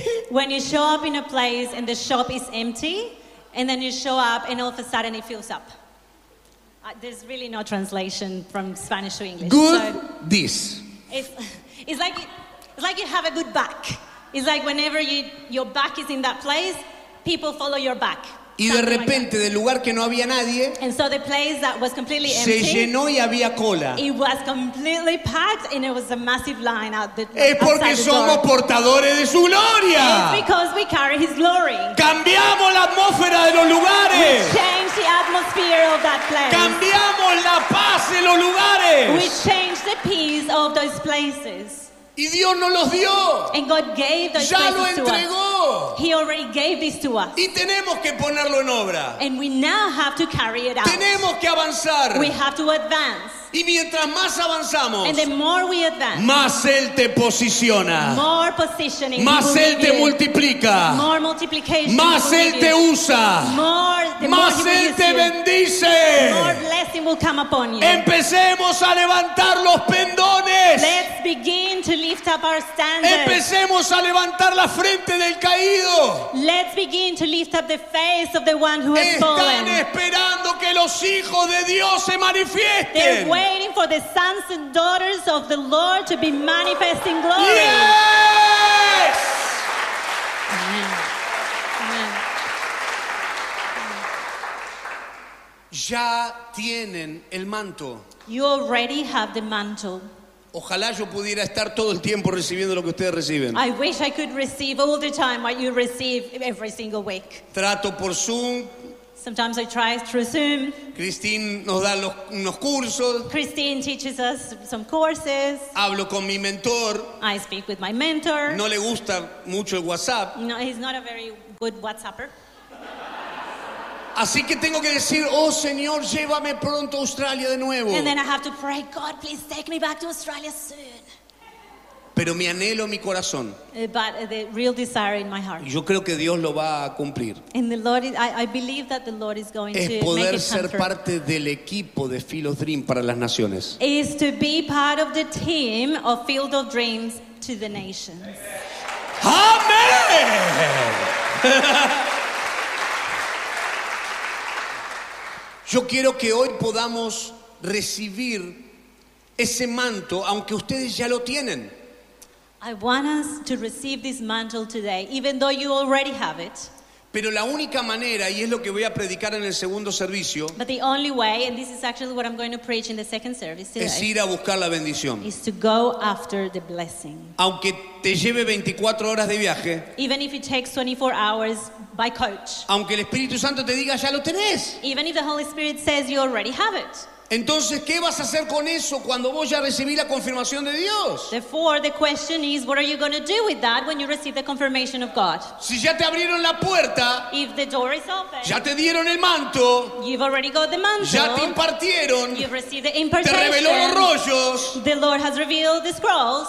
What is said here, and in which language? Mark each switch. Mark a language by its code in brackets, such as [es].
[en] When you show up in a place and the shop is empty, and then you show up and all of a sudden it fills up. There's really no translation from Spanish to English. Good so this. It's like you have a good back. It's like whenever your back is in that place, people follow your back. [es] Y de repente, del lugar que no había nadie, [en] and so the place that was completely empty, [es] se llenó y había cola. [en] It was completely packed and it was a massive line out the door. [es] Es porque somos portadores de su gloria. [en] It's because we carry His glory. [es] Cambiamos la atmósfera de los lugares. [en] We change the atmosphere of that place. [es] Cambiamos la paz de los lugares. [en] We change the peace of those places. [es] Y Dios nos los dio. [en] And God gave those [es] ya lo entregó. [en] He already gave this to us. [es] Y tenemos que ponerlo en obra. [en] And we now have to carry it out. [es] Tenemos que avanzar. [en] We have to advance. [es] Y mientras más avanzamos, [en] and the more we advance, [es] más Él te posiciona. [en] More positioning, [es] más Él te multiplica. [en] More multiplication, [es] más Él te usa. [en] More, the [es] más Él te bendice. [en] More blessing will come upon you. [es] Empecemos a levantar los pendones. [en] Let's begin to lift up our standards. [es] Empecemos a levantar la frente del caído. [en] Let's begin to lift up the face of the one who has [es] están [en] fallen. [es] Están esperando que los hijos de Dios se manifiesten. [en] They're waiting for the sons and daughters of the Lord to be manifest in glory. Yes! Amen. Amen. [es] Ya tienen el manto. [en] You already have the mantle. [es] Ojalá yo pudiera estar todo el tiempo recibiendo lo que ustedes reciben. [en] I wish I could receive all the time what you receive every single week. [es] Trato por Zoom. [en] Sometimes I try through Zoom. [es] Christine nos da unos cursos. [en] Christine teaches us some courses. [es] Hablo con mi mentor. [en] I speak with my mentor. [es] No le gusta mucho el WhatsApp. [en] No, he's not a very good WhatsApper. [es] Así que tengo que decir, oh Señor, llévame pronto a Australia de nuevo. [en] And then I have to pray, God, please take me back to Australia soon. [es] Pero mi anhelo, mi corazón. [en] But the real desire in my heart. [es] Yo creo que Dios lo va a cumplir. [en] And the Lord is, I believe that the Lord is going [es] es [en] to [es] poder [en] make [es] ser parte del equipo de Field of Dreams para las naciones. [en] Is to be part of the team of Field of Dreams to the nations. [es] Amén. Yo quiero que hoy podamos recibir ese manto, aunque ustedes ya lo tienen. [en] I want us to receive this mantle today, even though you already have it. [es] Pero la única manera, y es lo que voy a predicar en el segundo servicio, [en] but the only way, and this is actually what I'm going to preach in the second service today, [es] es ir a buscar la bendición. [en] Is to go after the blessing. [es] Aunque te lleve 24 horas de viaje, [en] even if it takes 24 hours by coach, [es] aunque el Espíritu Santo te diga ya lo tenés, [en] even if the Holy Spirit says you already have it. [es] Entonces, ¿qué vas a hacer con eso cuando vos ya recibís la confirmación de Dios? [en] Therefore, the question is, what are you going to do with that when you receive the confirmation of God? [es] Si ya te abrieron la puerta, [en] if the door is open, [es] ya te dieron el manto, [en] you've already got the mantle, [es] ya te impartieron, [en] you've received the impartation, [es] te reveló los rollos, [en] the Lord has revealed the scrolls,